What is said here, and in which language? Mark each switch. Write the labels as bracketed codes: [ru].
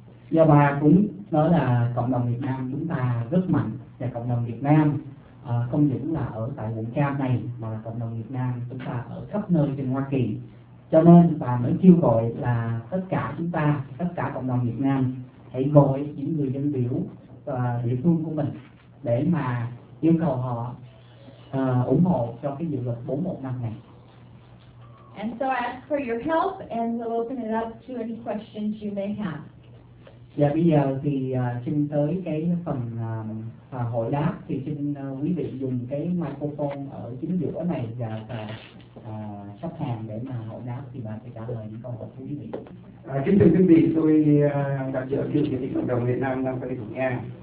[vi] Và bà cũng nói là cộng đồng Việt Nam chúng ta rất mạnh, và cộng đồng Việt Nam không những là ở tại quận Cam này mà là cộng đồng Việt Nam chúng ta ở khắp nơi trên Hoa Kỳ. Cho nên bà mới kêu gọi là tất cả chúng ta, tất cả cộng đồng Việt Nam hãy gọi những người dân biểu và địa phương của mình để mà yêu cầu họ ủng hộ cho cái dự luật 415 này. [en] And so I ask for your help and we'll open it up to any questions you may have. [vi] Dạ bây giờ thì xin tới cái phần hội đáp, thì xin quý vị dùng cái microphone ở chính giữa này và sắp hàng để mà hội đáp thì bà sẽ trả lời những câu hỏi của quý vị. Kính thưa quý vị, tôi đại diện cho chủ tịch cộng đồng Việt Nam đang tại Thủ Nga.